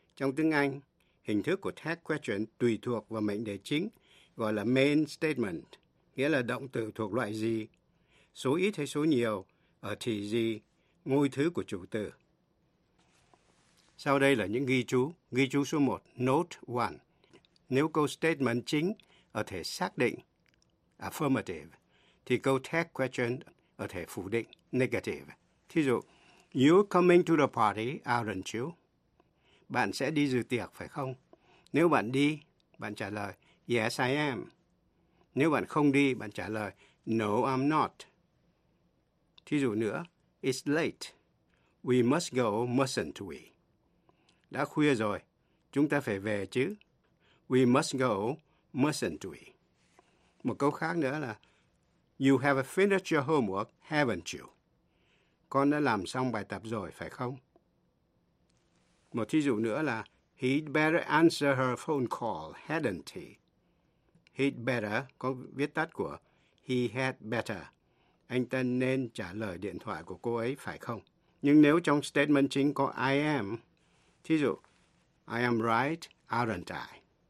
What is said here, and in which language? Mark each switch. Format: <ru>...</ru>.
<vi>Trong tiếng Anh, hình thức của tag question tùy thuộc vào mệnh đề chính, gọi là main statement, nghĩa là động từ thuộc loại gì, số ít hay số nhiều, ở thì gì, ngôi thứ của chủ từ. Sau đây là những ghi chú. Ghi chú số 1, note 1. Nếu câu statement chính ở thể xác định, affirmative, thì câu tag question ở thể phủ định, negative. Thí dụ,</vi> <en>you're coming to the party, aren't you?</en> <vi>Bạn sẽ đi dự tiệc phải không? Nếu bạn đi, bạn trả lời,</vi> <en>yes, I am.</en> <vi>Nếu bạn không đi, bạn trả lời,</vi> <en>no, I'm not.</en> <vi>Thí dụ nữa,</vi> <en>it's late. We must go, mustn't we?</en> <vi>Đã khuya rồi, chúng ta phải về chứ.</vi> <en>We must go, mustn't we?</en> <vi>Một câu khác nữa là,</vi> <en>you have finished your homework, haven't you?</en> <vi>Con đã làm xong bài tập rồi, phải không? Một thí dụ nữa là,</vi> <en>he'd better answer her phone call, hadn't he? He'd better,</en> <vi>có viết tắt của</vi> <en>he had better.</en> <vi>Anh ta nên trả lời điện thoại của cô ấy, phải không? Nhưng nếu trong statement chính có I am, thí dụ,</vi> <en>I am right, aren't I?</en>